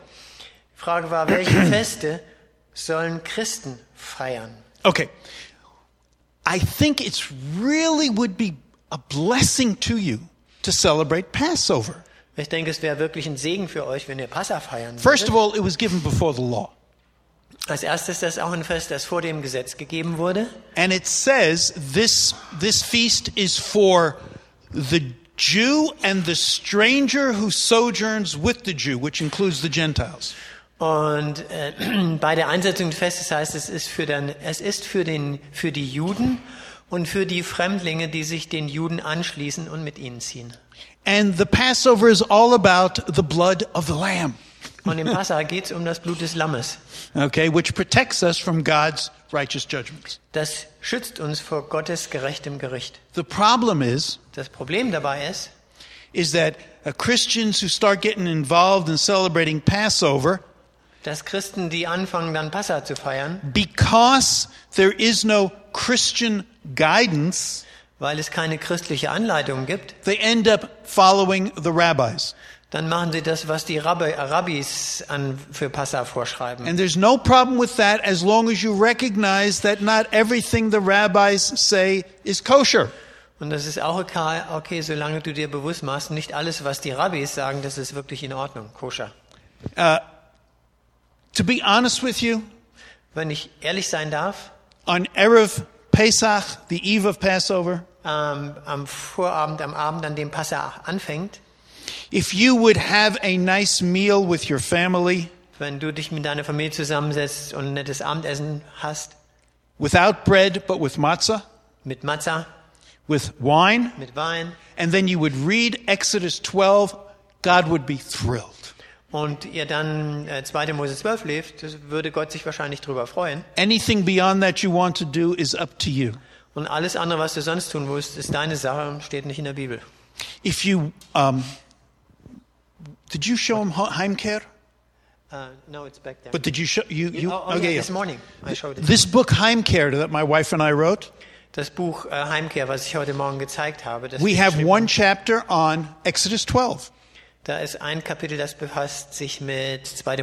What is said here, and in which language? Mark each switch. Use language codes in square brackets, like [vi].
[de] Die Frage war, welche Feste sollen Christen feiern? [en] Okay. I think it really would be a blessing to you to celebrate Passover. [de] Ich denke, es wäre wirklich ein Segen für euch, wenn ihr Passa feiern würdet. [en] First of all, it was given before the law. [de] Als erstes ist das auch ein Fest, das vor dem Gesetz gegeben wurde. [en] And it says this feast is for the Jew and the stranger who sojourns with the Jew, which includes the Gentiles. [de] Und bei der Einsetzung des Festes heißt es ist für die Juden und für die Fremdlinge, die sich den Juden anschließen und mit ihnen ziehen. [en] And the Passover is all about the blood of the lamb. [de] Und im Passa geht's um das Blut des Lammes. [en] Okay, which protects us from God's righteous judgments. [de] Das schützt uns vor Gottes gerechtem Gericht. [en] The problem is. [de] Das Problem dabei ist. [en] Is that Christians who start getting involved in celebrating Passover. [de] Dass Christen, die anfangen, dann Passa zu feiern. [en] Because there is no Christian guidance. [de] Weil es keine christliche Anleitung gibt. [en] They end up following the rabbis. [de] Dann machen sie das, was die Rabbis für Passa vorschreiben. [en] And there's no problem with that, as long as you recognize that not everything the rabbis say is kosher. [de] Und das ist auch okay, solange du dir bewusst machst, nicht alles, was die Rabbis sagen, das ist wirklich in Ordnung, koscher. [en] To be honest with you, [de] wenn ich ehrlich sein darf, [en] on Erev Pesach, the eve of Passover, [de] am Vorabend, am Abend, an dem Passa anfängt, [en] If you would have a nice meal with your family, [de] wenn du dich mit deiner Familie zusammensetzt und ein nettes Abendessen hast, [en] without bread but with matzah, [de] mit Matzah, [en] with wine, [de] mit Wein, [en] and then you would read Exodus 12, God would be thrilled. [de] Und ihr dann 2. Mose 12 lest, würde Gott sich wahrscheinlich drüber freuen. [en] Anything beyond that you want to do is up to you. [de] Und alles andere, was du sonst tun willst, ist deine Sache, steht nicht in der Bibel. [en] If you did you show him Heimkehr? No, it's back there. But did you show you yeah, this morning I showed it. This book Heimkehr that my wife and I wrote. [de] Das Buch Heimkehr, was ich heute Morgen gezeigt habe. Das [en] we have one chapter on Exodus 12. [de] Da ist ein Kapitel, das befasst sich mit 2.